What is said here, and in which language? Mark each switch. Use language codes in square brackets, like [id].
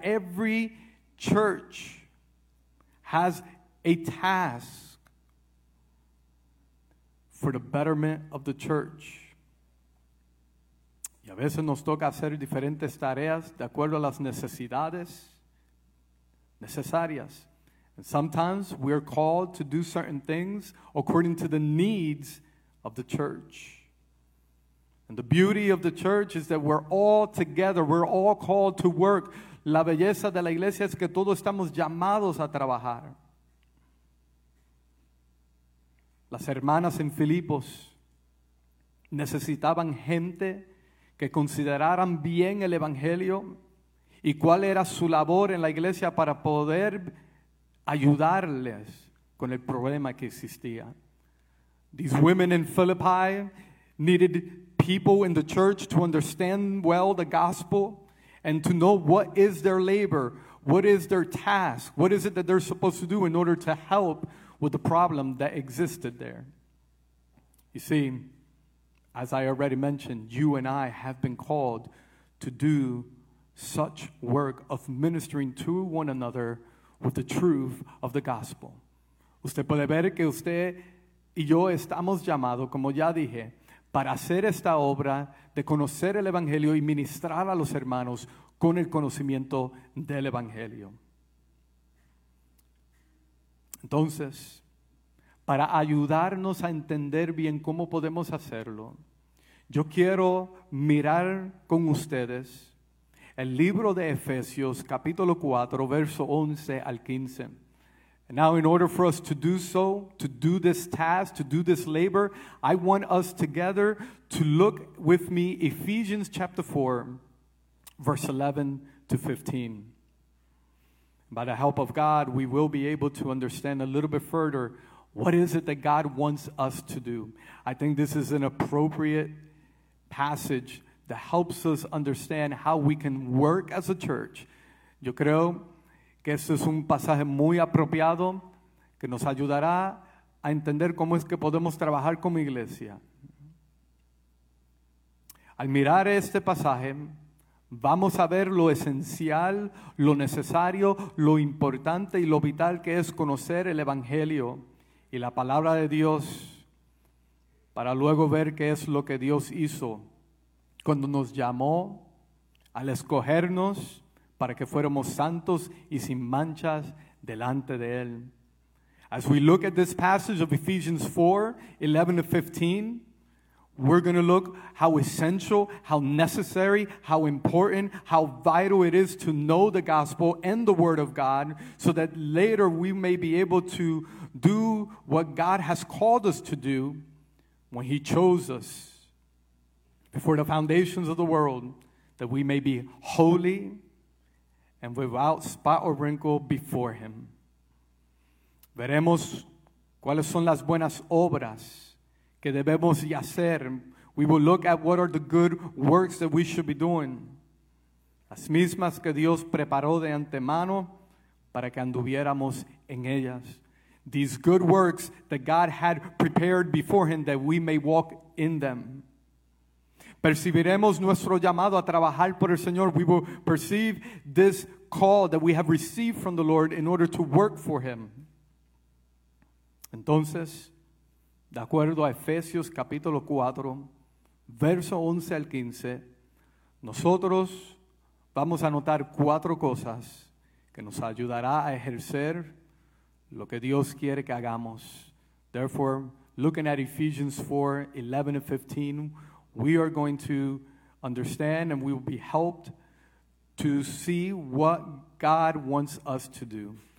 [en] Every church has a task for the betterment of the church. [es] Y a veces nos toca hacer diferentes tareas de acuerdo a las necesidades necesarias. [en] And sometimes we are called to do certain things according to the needs of the church. And the beauty of the church is that we're all together. We're all called to work. [es] La belleza de la iglesia es que todos estamos llamados a trabajar. Las hermanas en Filipos necesitaban gente que consideraran bien el evangelio y cuál era su labor en la iglesia para poder ayudarles con el problema que existía. [en] These women in Philippi needed people in the church to understand well the gospel and to know what is their labor, what is their task, what is it that they're supposed to do in order to help with the problem that existed there. You see, as I already mentioned, you and I have been called to do such work of ministering to one another with the truth of the gospel. [es] Usted puede ver que usted y yo estamos llamados, como ya dije, para hacer esta obra de conocer el evangelio y ministrar a los hermanos con el conocimiento del evangelio. Entonces, para ayudarnos a entender bien cómo podemos hacerlo, yo quiero mirar con ustedes el libro de Efesios, capítulo 4, verso 11 al 15. [en] And now, in order for us to do so, to do this task, to do this labor, I want us together to look with me Ephesians chapter 4, verse 11 to 15. By the help of God, we will be able to understand a little bit further what is it that God wants us to do. I think this is an appropriate passage that helps us understand how we can work as a church. [es] Yo creo que este es un pasaje muy apropiado que nos ayudará a entender cómo es que podemos trabajar como iglesia. Al mirar este pasaje, vamos a ver lo esencial, lo necesario, lo importante y lo vital que es conocer el evangelio y la palabra de Dios para luego ver qué es lo que Dios hizo cuando nos llamó al escogernos para que fuéramos santos y sin manchas delante de Él. [en] As we look at this passage of Ephesians 4, 11 to 15, we're going to look how essential, how necessary, how important, how vital it is to know the gospel and the word of God so that later we may be able to do what God has called us to do when he chose us before the foundations of the world, that we may be holy and without spot or wrinkle before him. [es] Veremos cuáles son las buenas obras que debemos hacer. [en] We will look at what are the good works that we should be doing. [es] Las mismas que Dios preparó de antemano para que anduviéramos en ellas. [en] These good works that God had prepared beforehand that we may walk in them. [es] Percibiremos nuestro llamado a trabajar por el Señor. [en] We will perceive this call that we have received from the Lord in order to work for him. [es] Entonces, de acuerdo a Efesios capítulo 4, verso 11 al 15, nosotros vamos a notar cuatro cosas que nos ayudará a ejercer lo que Dios quiere que hagamos. [en] Therefore, looking at Ephesians 4, 11 and 15, we are going to understand and we will be helped to see what God wants us to do.